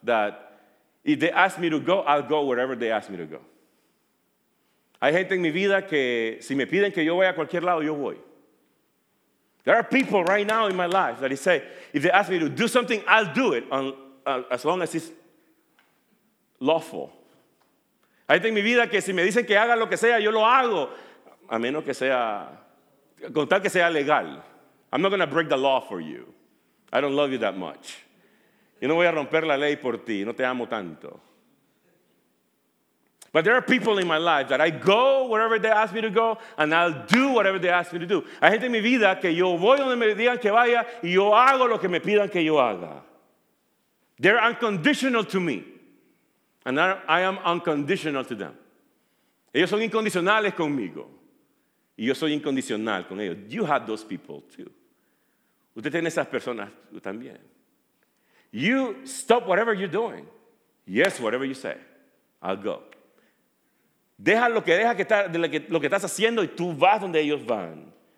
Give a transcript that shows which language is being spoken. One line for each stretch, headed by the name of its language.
English: that if they ask me to go, I'll go wherever they ask me to go.
Spanish: Hay gente en mi vida que si me piden que yo vaya a cualquier lado, yo voy.
English: There are people right now in my life that say, if they ask me to do something, I'll do it as long as it's lawful.
Spanish: Hay gente en mi vida que si me dicen que haga lo que sea, yo lo hago, a menos que sea, con tal que sea legal.
English: I'm not going to break the law for you. I don't love you that much.
Spanish: Yo no voy a romper la ley por ti, no te amo tanto.
English: But there are people in my life that I go wherever they ask me to go, and I'll do whatever they ask me to do.
Spanish: Hay gente en mi vida que yo voy donde me digan que vaya, y yo hago lo que me pidan que yo haga.
English: They're unconditional to me, and I am unconditional to them.
Spanish: Ellos son incondicionales conmigo, y yo soy incondicional con ellos.
English: You have those people too.
Spanish: Usted tiene esas personas también.
English: You stop whatever you're doing. Yes, whatever you say, I'll go.
Spanish: Deja lo que deja que está, lo que estás haciendo y tú vas donde ellos van.